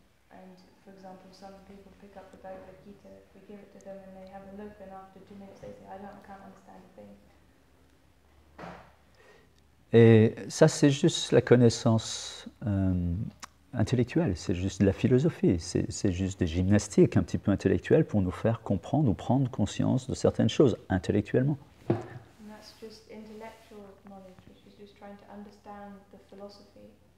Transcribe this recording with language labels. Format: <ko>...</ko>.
<en>And for example, some people pick up the Bhagavad Gita, we give it to them and they have a look, and after 2 minutes they say, I can't understand a thing.</en> <fr>Et ça, c'est juste la connaissance intellectuelle, c'est juste de la philosophie, c'est juste des gymnastiques un petit peu intellectuelles pour nous faire comprendre ou prendre conscience de certaines choses intellectuellement.</fr> <en>And that's just intellectual knowledge, which is just trying to understand the philosophy.</en>